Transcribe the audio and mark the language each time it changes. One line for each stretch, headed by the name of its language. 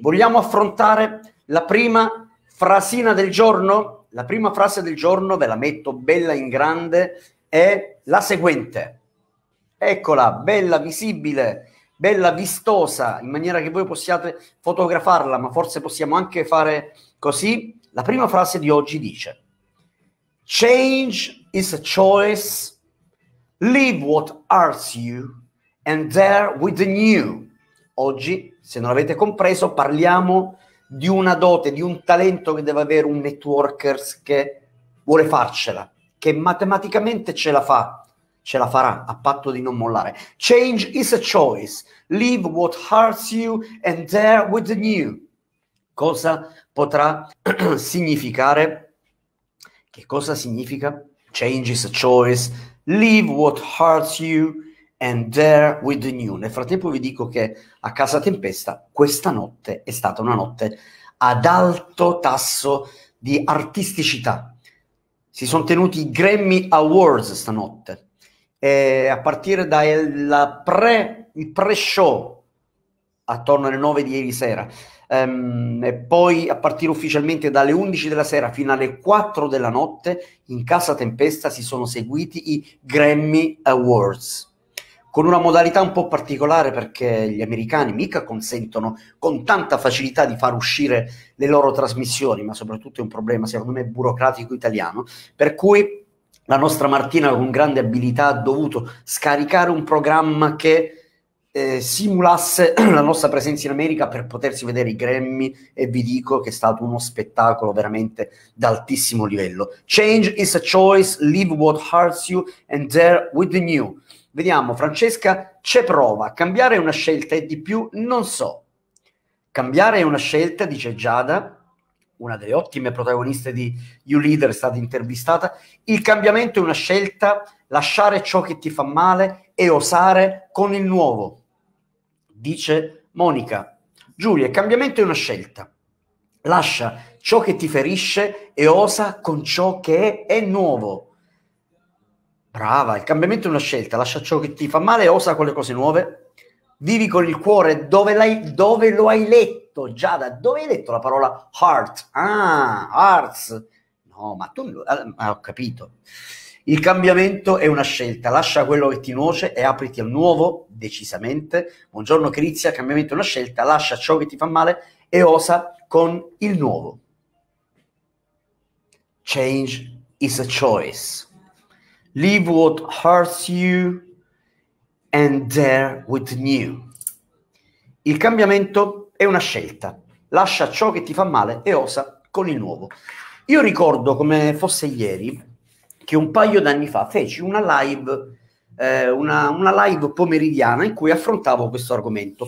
Italian: Vogliamo affrontare la prima frasina del giorno? La prima frase del giorno, ve la metto bella in grande, è la seguente. Eccola, bella visibile, bella vistosa, in maniera che voi possiate fotografarla, ma forse possiamo anche fare così. La prima frase di oggi dice:
English: change is a choice, leave what hurts you and there with the new.
Italian: Oggi, se non l'avete compreso, parliamo di una dote, di un talento che deve avere un networker che vuole farcela, che matematicamente ce la fa. Ce la farà, a patto di non mollare.
English: Change is a choice. Leave what hurts you and there with the new.
Italian: Cosa potrà significare? Che cosa significa?
English: Change is a choice. Leave what hurts you and there with the new.
Italian: Nel frattempo vi dico che a casa Tempesta questa notte è stata una notte ad alto tasso di artisticità. Si sono tenuti i Grammy Awards stanotte. A partire dal pre-show attorno alle 9 di ieri sera e poi a partire ufficialmente dalle 11 della sera fino alle 4 della notte in Casa Tempesta si sono seguiti i Grammy Awards con una modalità un po' particolare, perché gli americani mica consentono con tanta facilità di far uscire le loro trasmissioni, ma soprattutto è un problema secondo me burocratico italiano, per cui la nostra Martina con grande abilità ha dovuto scaricare un programma che simulasse la nostra presenza in America per potersi vedere i Grammy, e vi dico che è stato uno spettacolo veramente d'altissimo livello.
English: Change is a choice, leave what hurts you and there with the new.
Italian: Vediamo, Francesca, c'è prova. Cambiare è una scelta e di più non so. Cambiare è una scelta, dice Giada, una delle ottime protagoniste di YouLeader, è stata intervistata. Il cambiamento è una scelta, lasciare ciò che ti fa male e osare con il nuovo, dice Monica. Giulia, il cambiamento è una scelta, lascia ciò che ti ferisce e osa con ciò che è nuovo. Brava, il cambiamento è una scelta, lascia ciò che ti fa male e osa con le cose nuove. Vivi con il cuore, dove lo hai letto? Giada, dove hai letto la parola heart? Ah, hearts. No, ma tu, ho capito. Il cambiamento è una scelta, lascia quello che ti nuoce e apriti al nuovo, decisamente. Buongiorno Crizia, cambiamento è una scelta, lascia ciò che ti fa male e osa con il nuovo.
English: Change is a choice. Leave what hurts you and there with new.
Italian: Il cambiamento è una scelta, lascia ciò che ti fa male e osa con il nuovo. Io ricordo come fosse ieri che un paio d'anni fa feci una live, una live pomeridiana in cui affrontavo questo argomento.